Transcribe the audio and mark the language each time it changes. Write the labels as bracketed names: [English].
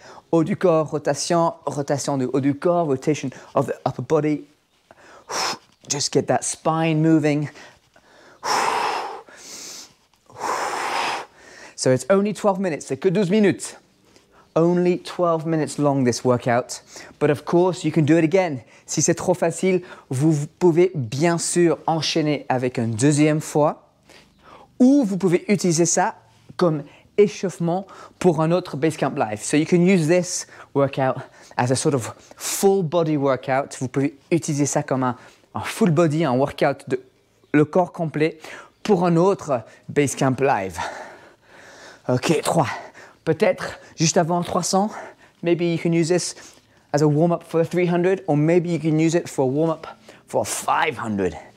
[French] Haut du corps, rotation, rotation du haut du corps, [English] rotation of the upper body. Just get that spine moving. So it's only 12 minutes, [French] c'est que 12 minutes. [English] Only 12 minutes long this workout. But of course, you can do it again. [French] Si c'est trop facile, vous pouvez bien sûr enchaîner avec une deuxième fois. Ou vous pouvez utiliser ça comme échauffement pour un autre Basecamp Live. [English] So you can use this workout as a sort of full body workout. [French] Vous pouvez utiliser ça comme un full body, un workout de le corps complet pour un autre Basecamp Live. Ok, 3. Peut-être juste avant 300. [English] Maybe you can use this as a warm-up for 300 or maybe you can use it for a warm-up for 500.